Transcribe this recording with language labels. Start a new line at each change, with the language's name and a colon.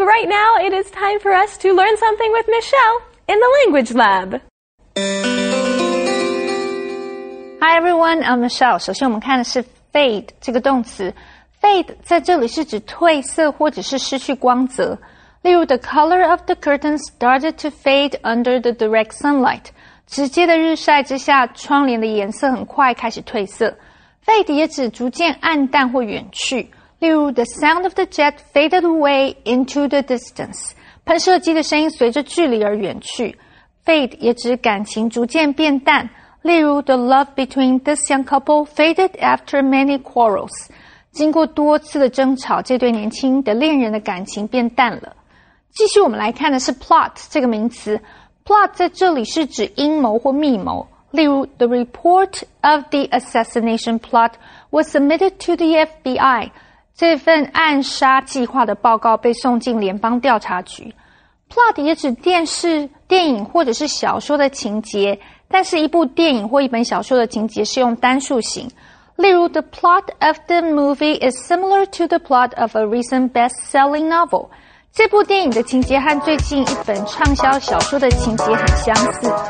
English: Right now, it is time for us to learn something with Michelle in the Language Lab. Hi, everyone. I'm Michelle.
Chinese: 首先我们看的是 fade 这个动词。 Fade 在这里是指褪色或者是失去光泽。例如
English: the color of the curtain started to fade under the direct sunlight.
Chinese: 直接的日晒之下窗帘的颜色很快开始褪色。 Fade 也指逐渐暗淡或远去。例如
English: the sound of the jet faded away into the distance.
Chinese: 喷射机的声音随着距离而远去。 Fade 也指感情逐渐变淡。例如
English: the love between this young couple faded after many quarrels.
Chinese: 经过多次的争吵，这对年轻的恋人的感情变淡了。继续我们来看的是 plot 这个名词。Plot 在这里是指阴谋或密谋。例如
English: the report of the assassination plot was submitted to the FBI.
Chinese: 这份暗杀计划的报告被送进联邦调查局。 Plot 也指电视、电影或者是小说的情节，但是一部电影或一本小说的情节是用单数型。例如
English: ,the plot of the movie is similar to the plot of a recent best-selling novel.
Chinese: 这部电影的情节和最近一本畅销小说的情节很相似。